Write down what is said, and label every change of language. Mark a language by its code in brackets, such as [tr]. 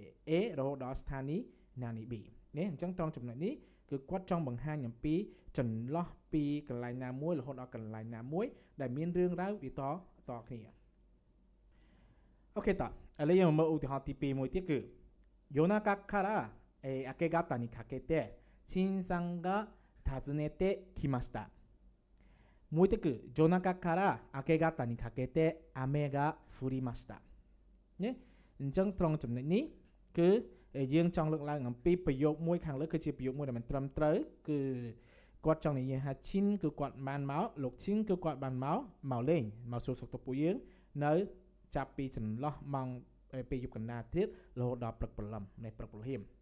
[km] A រហូតដល់ស្ថានីយ៍ណានី B នេះអញ្ចឹងត្រង់ចំណុចនេះគឺគាត់ចង់បង្ហាញអំពីចន្លោះពីកន្លែងណាមួយរហូតដល់កន្លែងណាមួយដែលមានរឿងរ៉ាវវាតគ្នាអូខេតឥឡូវយើងមើលឧទាហរណ៍ទី2មួយទៀតគឺ [ja] 夜中から明け方にかけて陳さんが訪ねてきました。もう一つ夜中から明け方にかけて雨が降りましたね。 [km] អញ្ចឹងត្រង់ចំណុចនេះគឺយើងចង់លើកឡើងអំពីប្រយោគមួយខាងលើគឺជាប្រយោគមួយដែលមិនត្រឹមត្រូវគឺគាត់ចង់និយាយថាឈិនគឺគាត់បានមកលោកឈិនគឺគាត់បានមកលេងមកសួរសុខទុក្ខពួកយើងនៅចាប់ពីចន្លោះម៉ោងពេលយប់កណ្ដាលទៀតរហូតដល់ព្រឹកព្រលឹមនៃព្រឹកព្រលឹម